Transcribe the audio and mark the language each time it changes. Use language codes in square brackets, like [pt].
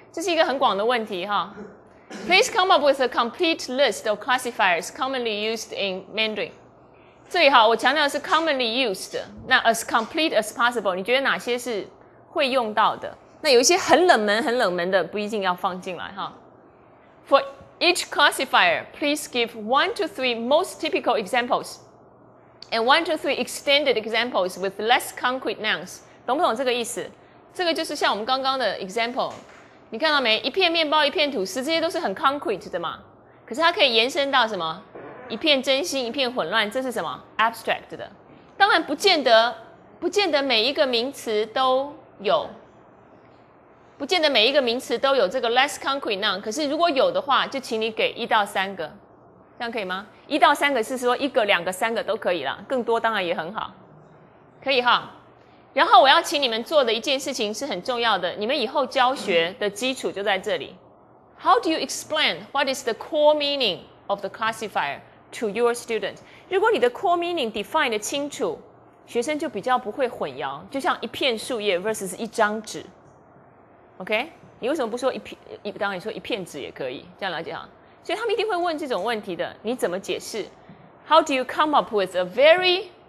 [zh] 这是一个很广的问题哈。 [en] Please come up with a complete list of classifiers commonly used in Mandarin. [zh] 这里哈，我强调的是 [en] commonly used， [zh] 那 [en] as complete as possible， [zh] 你觉得哪些是会用到的？那有一些很冷门、很冷门的，不一定要放进来哈。 [en] For each classifier, please give 1 to 3 most typical examples and 1 to 3 extended examples with less concrete nouns. [zh] 懂不懂这个意思？这个就是像我们刚刚的 example。你看到没？一片面包，一片吐司，这些都是很 concrete 的嘛。可是它可以延伸到什么？一片真心，一片混乱，这是什么？ abstract 的。当然不见得每一个名词都有，不见得每一个名词都有这个 [en] less concrete noun。 [zh] 可是如果有的话，就请你给1到3个，这样可以吗？ 1到3个是说一个、两个、三个都可以啦，更多当然也很好，可以哈。然后我要请你们做的一件事情是很重要的，你们以后教学的基础就在这里。 [en] How do you explain what is the core meaning of the classifier to your student? [zh] 如果你的 core meaning define 的清楚，学生就比较不会混淆，就像一片树叶 versus 一张纸。OK? 你为什么不说一片，当然你说一片纸也可以，这样了解哈。所以他们一定会问这种问题的，你怎么解释？ [en] How do you come up with a very...